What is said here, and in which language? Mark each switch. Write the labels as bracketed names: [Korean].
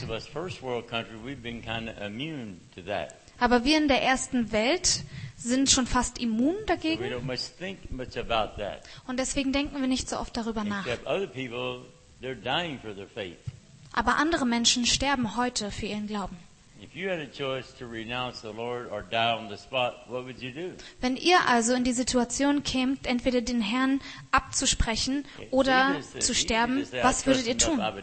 [English] But most of us first world country, we've been kind of immune to that. [German] Aber wir in der ersten Welt sind schon fast immun dagegen. [English] So we don't much think much about that. [German] Und deswegen denken wir nicht so oft darüber nach. [English] Except other people, they're dying for their faith. [German] Aber andere Menschen sterben heute für ihren Glauben. Wenn ihr also in die Situation kämt, entweder den Herrn abzusprechen oder zu sterben, was würdet ihr tun?